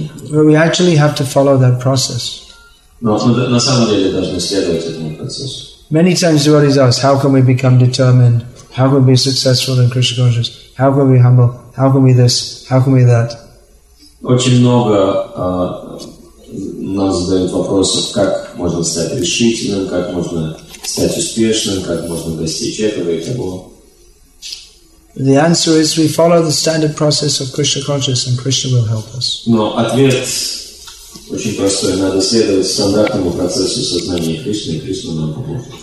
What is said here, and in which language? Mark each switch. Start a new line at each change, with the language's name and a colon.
English: Well, we actually have to follow that process.
Russian: Но на самом деле должны следовать этому процессу.
English: Many times devotees ask, how can we become determined? How can we be successful in Krishna consciousness? How can we be humble? How can we this? How can we that?
Russian: Очень много нам задают вопросов, как можно стать решительным, как можно стать успешным, как можно достичь этого и того.
English: The answer is we follow the standard process of Krishna consciousness and Krishna will help us.
Russian: Но ответ очень простой. Надо следовать стандартному процессу сознания Кришны, и Кришна нам поможет.